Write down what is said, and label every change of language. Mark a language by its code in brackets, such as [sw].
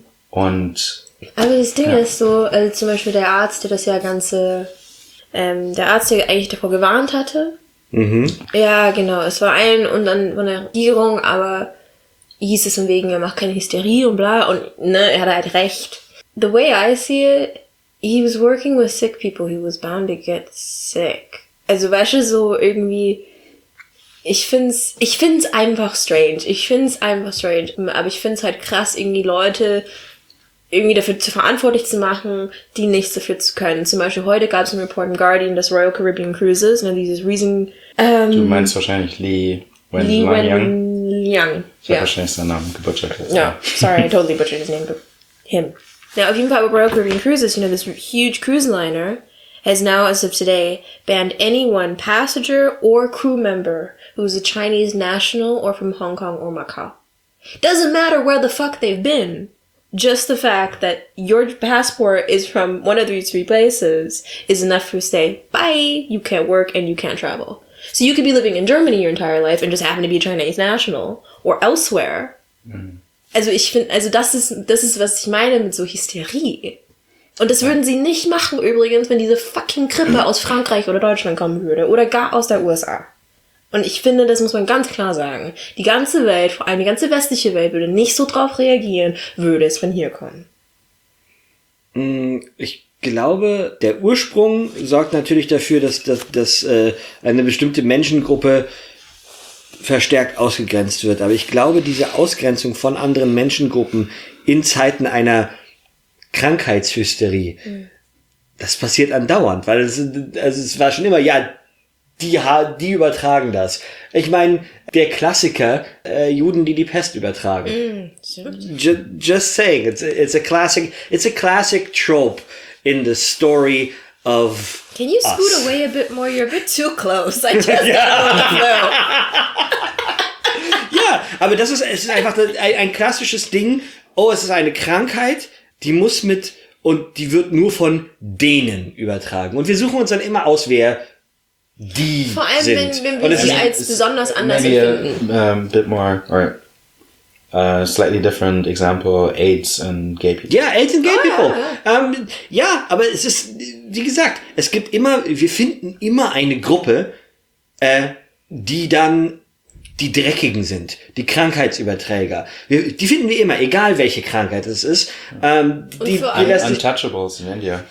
[de] Und aber das Ding ist so, also zum Beispiel der Arzt, der das ja ganze, der Arzt, der eigentlich davor gewarnt hatte. Ja, genau. Es war ein und dann von der Regierung, aber hieß es von wegen, er macht keine Hysterie und bla, und ne, er hat halt recht. [en] The way I see it, he was working with sick people, he was bound to get sick. [de] Also weißt du, so irgendwie, ich find's einfach strange, aber ich find's halt krass, irgendwie Leute irgendwie dafür zu verantwortlich zu machen, die nichts dafür zu können. Zum Beispiel heute gab es einen Report im Guardian, des Royal Caribbean Cruises, ne, dieses Riesen... du meinst wahrscheinlich Li Wenliang. Ich habe wahrscheinlich seinen Namen gebutschert. [en] I totally butchered his name, but him. Now, [de] auf jeden Fall, [en] with Royal Caribbean Cruises, you know, this huge cruise liner has now, as of today, banned anyone, passenger or crew member, who is a Chinese national or from Hong Kong or Macau. Doesn't matter where the fuck they've been. Just the fact that your passport is from one of these three places is enough to say, bye, you can't work and you can't travel. So you could be living in Germany your entire life and just happen to be a Chinese national or elsewhere. [de] Also ich finde, also das ist, was ich meine mit so Hysterie. Und das würden sie nicht machen übrigens, wenn diese fucking Grippe aus Frankreich oder Deutschland kommen würde oder gar aus der USA. Und ich finde, das muss man ganz klar sagen. Die ganze Welt, vor allem die ganze westliche Welt, würde nicht so drauf reagieren, würde es von hier kommen. Ich glaube, der Ursprung sorgt natürlich dafür, dass eine bestimmte Menschengruppe verstärkt ausgegrenzt wird. Aber ich glaube, diese Ausgrenzung von anderen Menschengruppen in Zeiten einer Krankheitshysterie, das passiert andauernd, weil es war schon immer, ja, die übertragen das. Ich meine, der Klassiker, Juden, die Pest übertragen. [en] Just saying, it's a classic trope in the story of us. Can you scoot us away a bit more? You're a bit too close. I just don't know. [de] Yeah, aber es ist einfach ein klassisches Ding. Oh, es ist eine Krankheit, die muss mit, und die wird nur von denen übertragen. Und wir suchen uns dann immer aus, wer die vor allem, sind. Wenn wir sie als besonders anders empfinden. [en] A bit more, all right. slightly different example, AIDS and gay people. Yeah, AIDS and gay people. [de] Ja. Ja, aber es ist, wie gesagt, es gibt immer, wir finden immer eine Gruppe, die dann die Dreckigen sind, die Krankheitsüberträger. Die finden wir immer, egal welche Krankheit es ist. [en] Untouchables in India.